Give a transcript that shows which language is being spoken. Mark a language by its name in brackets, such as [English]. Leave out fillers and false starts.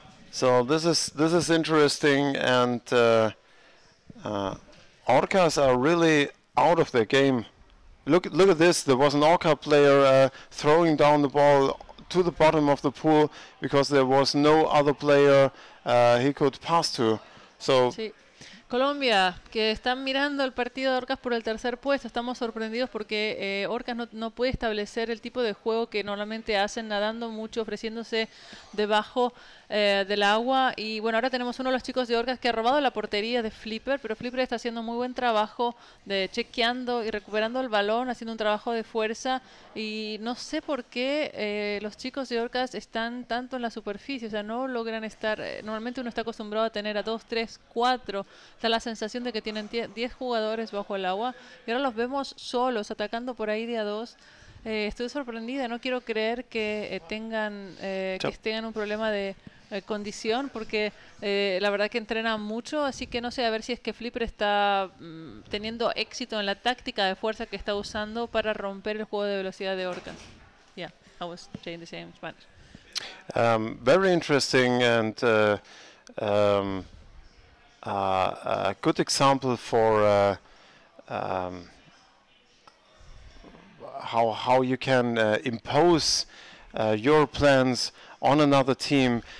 [English] So this is interesting, and orcas are really out of their game. Look at this. There was an orca player throwing down the ball to the bottom of the pool because there was no other player he could pass to. So. [Spanish] Colombia, que están mirando el partido de Orcas por el tercer puesto, estamos sorprendidos porque Orcas no puede establecer el tipo de juego que normalmente hacen, nadando mucho, ofreciéndose debajo del agua. Y bueno, ahora tenemos uno de los chicos de Orcas que ha robado la portería de Flipper, pero Flipper está haciendo muy buen trabajo de chequeando y recuperando el balón, haciendo un trabajo de fuerza, y no sé por qué los chicos de Orcas están tanto en la superficie, o sea, no logran estar, normalmente uno está acostumbrado a tener a 2, 3, 4. Está la sensación de que tienen 10 jugadores bajo el agua y ahora los vemos solos atacando por ahí de a dos. Estoy sorprendida, no quiero creer que tengan un problema de condición, porque la verdad que entrenan mucho, así que no sé, a ver si es que Flipper está teniendo éxito en la táctica de fuerza que está usando para romper el juego de velocidad de Orcas. [English] Yeah, I was saying the same Spanish. Very interesting and a good example for how you can impose your plans on another team.